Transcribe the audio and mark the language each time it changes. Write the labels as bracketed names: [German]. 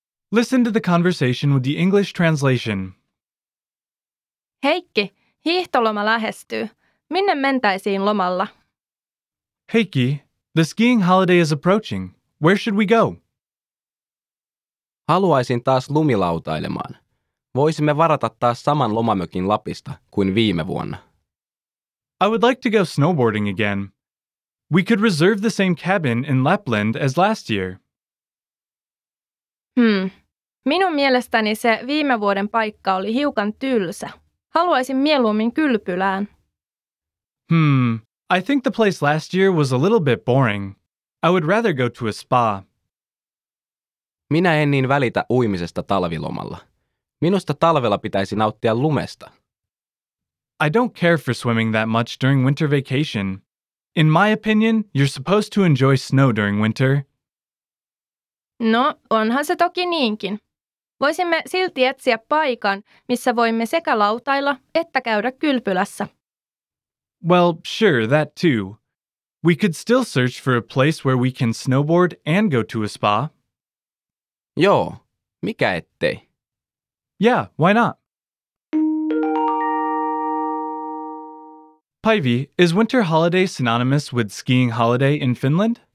[English] Listen to the conversation with the English translation. [Finnish] Heikki. Hiihtoloma lähestyy. Minne mentäisiin lomalla? [English] Heikki, the skiing holiday is approaching. Where should we go? [Finnish] Haluaisin taas lumilautailemaan. Voisimme varata taas saman lomamökin Lapista kuin viime vuonna. [English] I would like to go snowboarding again. We could reserve the same cabin in Lapland as last year. [Finnish] Minun mielestäni se viime vuoden paikka oli hiukan tylsä. Haluaisin mieluummin kylpylään. [English] I think the place last year was a little bit boring. I would rather go to a spa. [Finnish] Minä en niin välitä uimisesta talvilomalla. Minusta talvella pitäisi nauttia lumesta. [English] I don't care for swimming that much during winter vacation. In my opinion, you're supposed to enjoy snow during winter. [Finnish] No, onhan se toki niinkin. Voisimme silti etsiä paikan, missä voimme sekä lautailla että käydä kylpylässä. [English] Well, sure, that too. We could still search for a place where we can snowboard and go to a spa. [Finnish] Joo, mikä ettei. [English] Yeah, why not? Päivi, is winter holiday synonymous with skiing holiday in Finland?